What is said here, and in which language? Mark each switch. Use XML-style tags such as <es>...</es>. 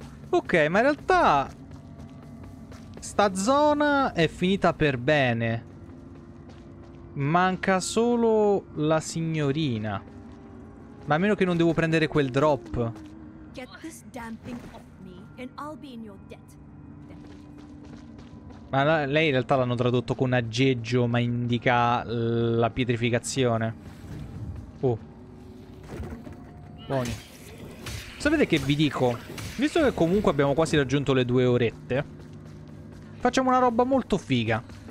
<it>Ok, ma in realtà sta zona è finita per bene. Manca solo la signorina. Ma a meno che non devo prendere quel drop.</it> <en>Get this damn thing off me and I'll be in your debt.</en> <it>Ma lei in realtà l'hanno tradotto con aggeggio, ma indica la pietrificazione. Oh. Buoni. Sapete che vi dico? Visto che comunque abbiamo quasi raggiunto le due orette, facciamo una roba molto figa.</it>